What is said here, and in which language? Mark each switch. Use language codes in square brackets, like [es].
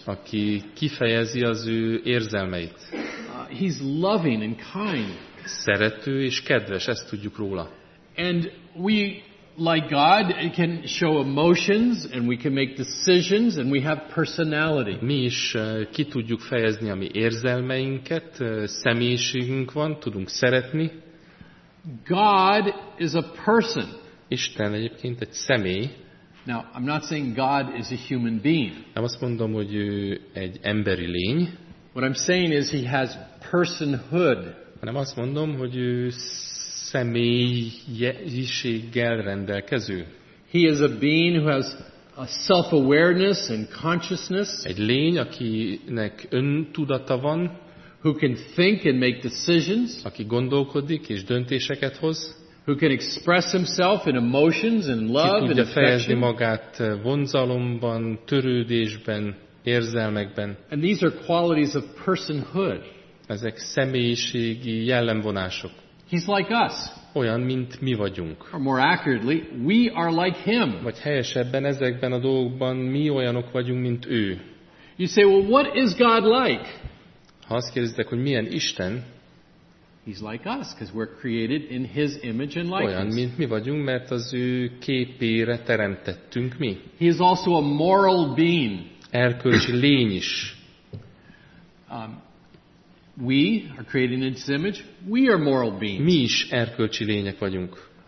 [hu] Aki kifejezi az ő érzelmeit. [en] He's loving and kind. [hu] Szerető és kedves, ezt tudjuk róla. [en] And we, like God, can show emotions and we can make decisions and we have personality. [hu] Mi is ki tudjuk fejezni a mi érzelmeinket, személyiségünk van, tudunk szeretni. [en] God is a person. [hu] Isten egyébként egy személy. [en] Now, I'm not saying God is a human being. [hu] Nem azt mondom, hogy ő egy emberi lény. [en] What I'm saying is he has personhood. [hu] Nem azt mondom, hogy ő személyiséggel rendelkező. [en] He is a being who has a self-awareness and consciousness. [hu] Egy lény, akinek öntudata van. [en] Who can think and make decisions. [hu] Aki gondolkodik és döntéseket hoz. [en] Who can express himself in emotions and love and affection. [hu] Ki tudja fejezni magát vonzalomban, törődésben, érzelmekben. [en] And these are qualities of personhood. [hu] Ezek személyiségi jellemvonások. [en] He's like us. [hu] Olyan, mint mi vagyunk. [en] Or more accurately, we are like him. [hu] Vagy helyesebben ezekben a dolgokban mi olyanok vagyunk, mint ő. [en] You say, well, what is God like? [hu] Ha azt kérdezitek, hogy milyen Isten, [en] He's like us because we're created in his image and likeness. [hu] Olyan, mint mi vagyunk, mert az ő képére teremtettünk mi. [en] He is also a moral being. [hu] Erkölcsi lény is. [en] We are created in his image. We are moral beings. [hu] Mi is erkölcsi lények vagyunk.